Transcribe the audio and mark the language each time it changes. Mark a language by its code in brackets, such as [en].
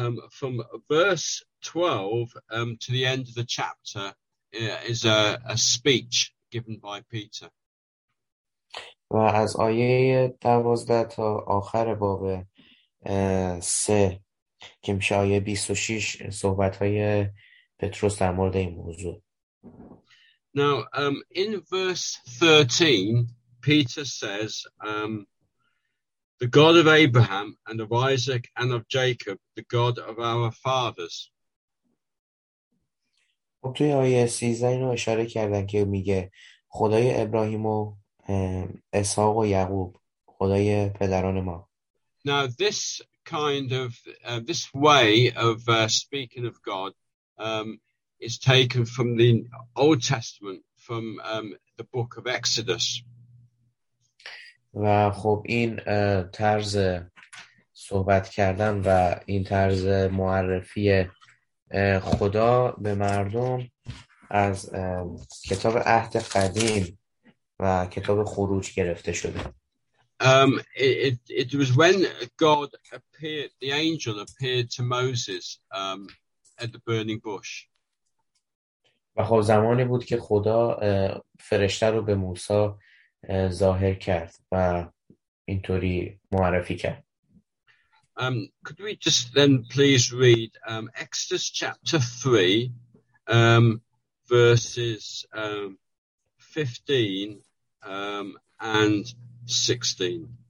[en] From verse 12 to the end of the chapter is a speech given by Peter. [fa] و از آیه 12 تا آخر باب 3 که میشه آیه 26 صحبت های پتروس در مورد این موضوع. [en] Now in verse 13 Peter says the God of Abraham and of Isaac and of Jacob, the God of our fathers. [fa] توی آیه 13 اینو اشاره کردن که میگه خدای ابراهیم و اسحاق و یعقوب، خدای پدران ما. [en] Now this kind of this way of speaking of God is taken from the Old Testament, from the book of Exodus. [fa] و خب این طرز صحبت کردن و این طرز معرفی خدا به مردم از کتاب عهد قدیم و کتاب خروج گرفته شده. [en] It was when God appeared, the angel appeared to Moses at the burning bush. [fa] و خب زمانی بود که خدا فرشته رو به موسی ظاهر کرد و اینطوری معرفی کرد. [en] Could we just then please read Exodus chapter 3 verses 15 and 16.